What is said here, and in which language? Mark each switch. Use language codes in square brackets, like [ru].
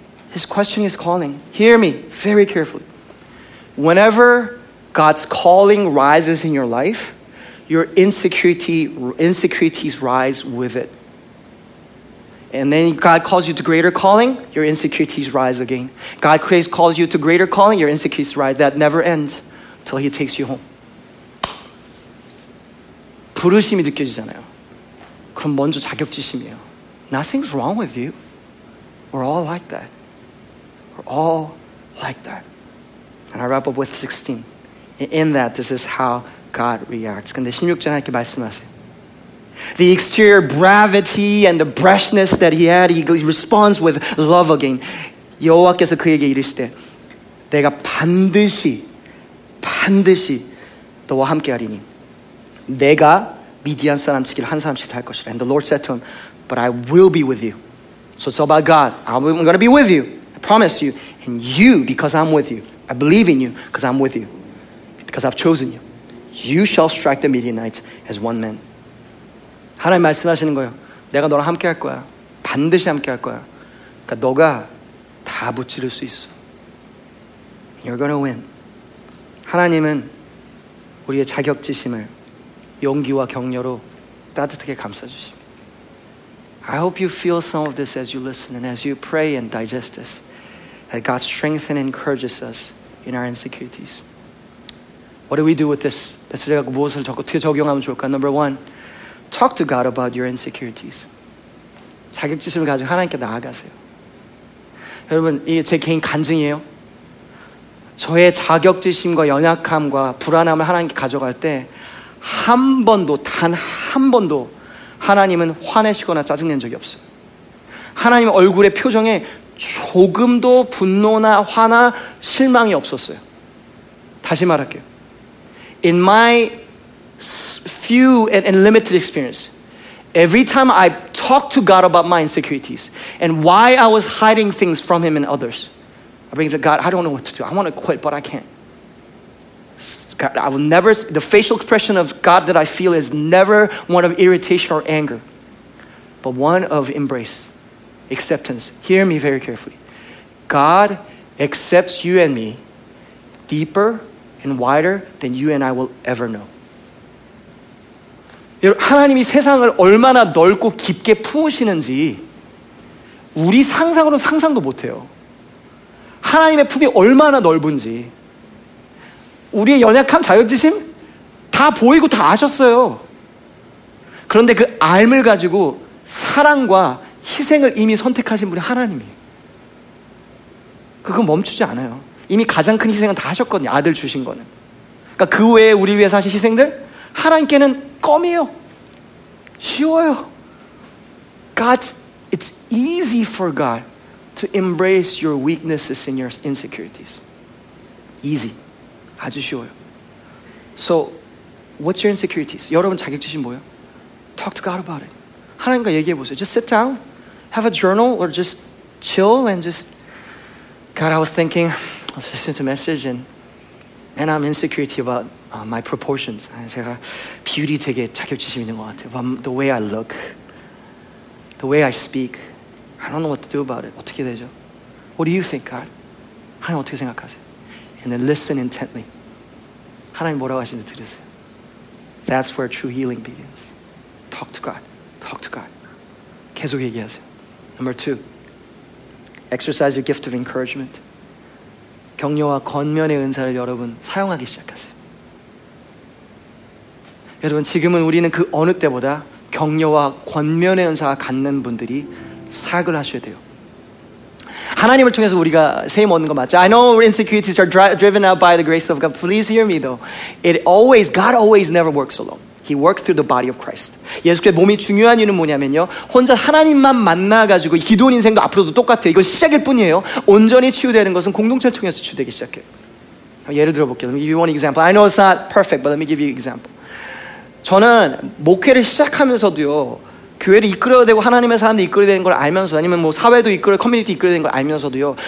[en] His question is calling. Hear me very carefully. Whenever God's calling rises in your life, your insecurities rise with it. And then God calls you to greater calling, your insecurities rise again. God calls you to greater calling, your insecurities rise. That never ends till he takes you home. [ko] 부르심이 느껴지잖아요. 그럼 먼저 자격지심이에요. [en] Nothing's wrong with you. We're all like that. We're all like that. And I wrap up with 16. In that, this is how God reacts. [ko] 근데 16절에 이렇게 말씀하세요. [en] The exterior brevity and the brashness that he had, he responds with love again. [ko] 여호와께서 그에게 이르시되, 내가 반드시, 반드시 너와 함께하리니, 내가 미디안 사람 치기를 한 사람 치듯 할 것이라. [en] And the Lord said to him, but I will be with you. So it's all about God. I'm going to be with you. I promise you. And you, because I'm with you. I believe in you, because I'm with you. Because I've chosen you. You shall strike the Midianites as one man. [ko] 하나님 말씀하시는 거예요. 내가 너랑 함께 할 거야. 반드시 함께 할 거야. 그러니까 너가 다 무찌를 수 있어. [en] You're going to win. [ko] 하나님은 우리의 자격지심을 용기와 격려로 따뜻하게 감싸주십니다. [en] I hope you feel some of this as you listen and as you pray and digest this. That God strengthens and encourages us in our insecurities. What do we do with this? [ko] 제가 무엇을 어떻게 적용하면 좋을까? [en] Number one, talk to God about your insecurities. [ko] 자격지심을 가지고 하나님께 나아가세요. 여러분, 이게 제 개인 간증이에요. 저의 자격지심과 연약함과 불안함을 하나님께 가져갈 때 한 번도, 단 한 번도 하나님은 화내시거나 짜증낸 적이 없어요. 하나님 얼굴의 표정에 조금도 분노나 화나 실망이 없었어요. 다시 말할게요. [en] In my few and limited experience, every time I talk to God about my insecurities and why I was hiding things from him and others, I bring it to God, I don't know what to do. I want to quit, but I can't. God, I will never, the facial expression of God that I feel is never one of irritation or anger, but one of embrace, acceptance. Hear me very carefully. God accepts you and me deeper and wider than you and I will ever know. [ko] 하나님이 세상을 얼마나 넓고 깊게 품으시는지 우리 상상으로 상상도 못해요. 하나님의 품이 얼마나 넓은지 우리의 연약함, 자격지심 다 보이고 다 아셨어요. 그런데 그 알을 가지고 사랑과 희생을 이미 선택하신 분이 하나님이에요. 그건 멈추지 않아요. 이미 가장 큰 희생은 다 하셨거든요. 아들 주신 거는. 그러니까 그 외에 우리 위해서 하신 희생들 하나님께는 껌이에요. 쉬워요. [en] God, it's easy for God to embrace your weaknesses and your insecurities. Easy. [ko] 아주 쉬워요. [en] So, what's your insecurities? [ko] 여러분 자격지심 뭐예요? [en] Talk to God about it. [ko] 하나님과 얘기해 보세요. [en] Just sit down, have a journal, or just chill and just, God, I was thinking, I was listening to a message, and I'm insecurity about my proportions. [ko] 제가 beauty 되게 자격지심 있는 것 같아요. [en] But the way I look, the way I speak, I don't know what to do about it. [ko] 어떻게 되죠? [en] What do you think, God? [ko] 하나님 어떻게 생각하세요? [en] And then listen intently. [ko] 하나님 뭐라고 하시는지 들으세요. [en] That's where true healing begins. Talk to God. Talk to God. [ko] 계속 얘기하세요. [en] Number two, exercise your gift of encouragement. [ko] 격려와 권면의 은사를 여러분 사용하기 시작하세요. 여러분 지금은 우리는 그 어느 때보다 격려와 권면의 은사가 갖는 분들이 사역을 하셔야 돼요. 하나님을 통해서 우리가 세임 얻는 거 맞죠? [en] I know our insecurities are driven out by the grace of God. Please hear me though. It always, God always never works alone. He works through the body of Christ. [ko] 예수께서 몸이 중요한 이유는 뭐냐면요. 혼자 하나님만 만나가지고 기도원 인생도 앞으로도 똑같아요. 이건 시작일 뿐이에요. 온전히 치유되는 것은 공동체를 통해서 치유되기 시작해요. 예를 들어볼게요. [en] Let me give you one example. I know it's not perfect, but let me give you an example. [ko] 저는 목회를 시작하면서도요. 교회를 이끌어야 되고 하나님의 사람도 이끌어야 되는 걸 알면서 아니면 뭐 사회도 이끌어야 커뮤니티 이끌어야 되는 걸 알면서도요.